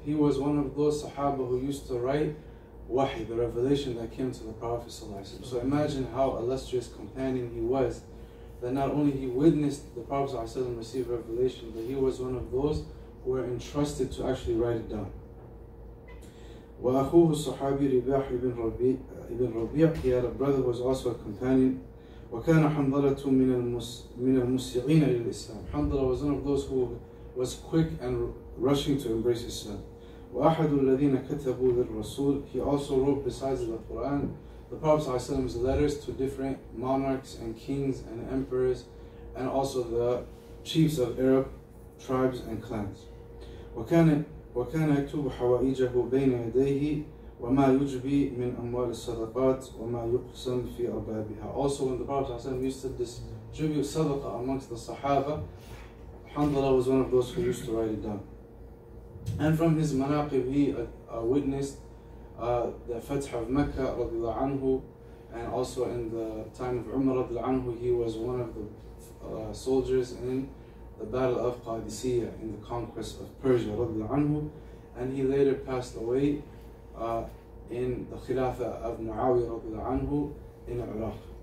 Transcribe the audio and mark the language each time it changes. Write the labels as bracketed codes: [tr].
[en] He was one of those Sahaba who used to write wahi, the revelation that came to the Prophet ﷺ. So imagine how illustrious companion he was, that not only he witnessed the Prophet ﷺ receive revelation, but he was one of those who were entrusted to actually write it down. [ar] وَأَخُوهُ الصُّحَابِ رِبَاحُ ibn Rabi'i. [en] He had a brother who was also a companion. [ar] وكان حنظلة من المسيعين للإسلام. [en] حنظلة was one of those who was quick and rushing to embrace Islam. [ar] وأحد الذين كتبوا للرسول. [en] He also wrote besides the Quran, the Prophet's letters to different monarchs and kings and emperors, and also the chiefs of Arab tribes and clans. [ar] وكان يكتب حوائجه بين يديه. وما يجبي من أموال الصدقات وما يقسم في أربابها. [en] Also, when the Prophet ﷺ used to distribute sadaqa amongst the Sahaba, Hanzala was one of those who used to write it down. And from his manaqib, he witnessed the Fath of Mecca radiallahu anhu, and also in the time of Umar radiallahu anhu, he was one of the soldiers in the Battle of Qadisiyah, in the conquest of Persia radiallahu anhu, and he later passed away in the Khilafah of Muawiyah radiallahu anhu in Iraq.